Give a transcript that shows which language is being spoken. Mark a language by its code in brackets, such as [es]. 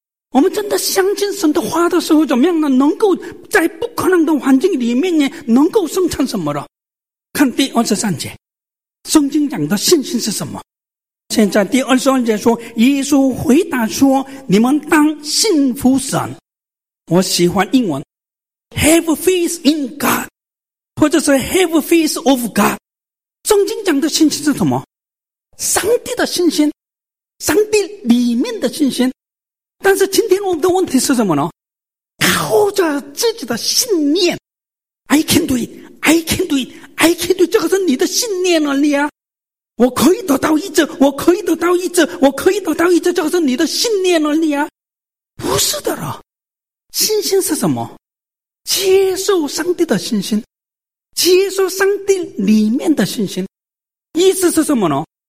[zh] 我们真的相信神的话的时候怎么样呢？能够在不可能的环境里面呢，能够生产什么了？看第二十三节，圣经讲的信心是什么？现在第二十二节说，耶稣回答说，你们当信服神。我喜欢英文 [en] Have faith in God， [zh] 或者是 [en] Have faith of God。 [zh] 圣经讲的信心是什么？上帝的信心，上帝里面的信心。但是今天我们的问题是什么呢？靠着自己的信念， [en] I can do it， I can do it， I can do it， [zh] 这个是你的信念而已啊。我可以得到医治，我可以得到医治，我可以得到医治，这个是你的信念而已啊。不是的了，信心是什么？接受上帝的信心，接受上帝里面的信心。意思是什么呢？